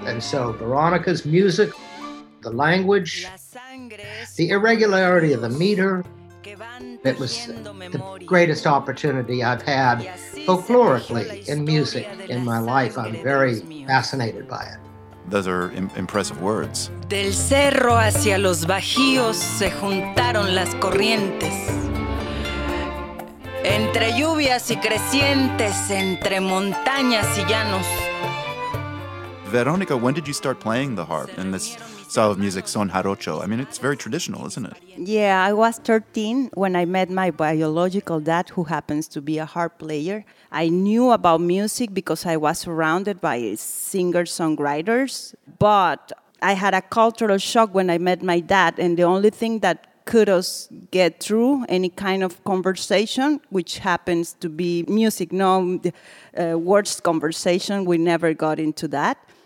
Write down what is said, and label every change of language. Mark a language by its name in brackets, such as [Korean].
[English] And so Veronica's music, the language, the irregularity of the meter, it was the greatest opportunity I've had folklorically in music in my life. I'm very fascinated by it. Those are impressive words. [Spanish] Del cerro hacia los bajíos se juntaron las corrientes. entre lluvias y crecientes, entre montañas y llanos. [English] Veronica, when did you start playing the harp in this style of music, Son Jarocho? I mean, it's very traditional, isn't it? Yeah, I was 13 when I met my biological dad, who happens to be a harp player. I knew about music because I was surrounded by singer-songwriters, but I had a cultural shock when I met my dad, and the only thing that could us get through any kind of conversation, which happens to be music, no words conversation, we never got into that.